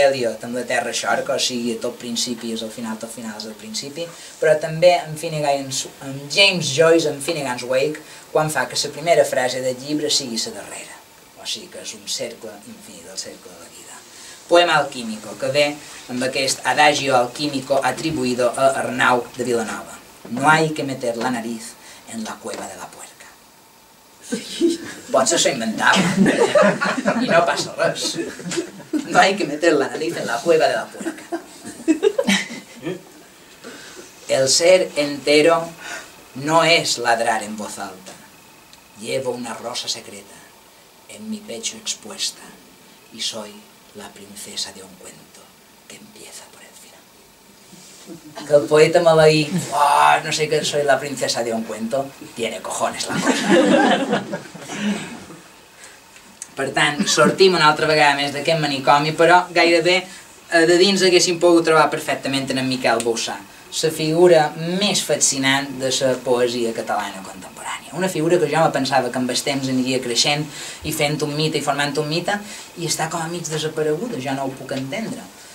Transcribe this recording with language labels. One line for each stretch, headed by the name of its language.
Catalan: Eliot, amb la Terra Xorca, o sigui, tot principi és el final, tot final és el principi, però també amb James Joyce, amb Finnegan's Wake, quan fa que la primera frase del llibre sigui la darrera. O sigui que és un cercle infinit, el cercle de la vida. Poema alquímico, que ve amb aquest adagio alquímico atribuïdo a Arnau de Vilanova.
Spanish: No hay que meter la nariz en la cueva de la puerca.
Catalan: Potser s'ho inventava, i no passa res.
Spanish: No hay que meter la nariz en la cueva de la puerca. El ser entero no es ladrar en voz alta. Llevo una rosa secreta en mi pecho expuesta y soy la princesa de un cuento que empieza por el final. Que el poeta maleí, oh, no sé que soy la princesa de un cuento, tiene cojones la cosa.
Catalan: Per tant, sortim una altra vegada més d'aquest manicomi, però gairebé de dins haguéssim pogut trobar perfectament en Miquel Boussà, la figura més fascinant de la poesia catalana contemporània. Una figura que jo me pensava que amb els temps aniria creixent i fent un mite i formant un mite, i està com a mig desapareguda, jo no ho puc entendre.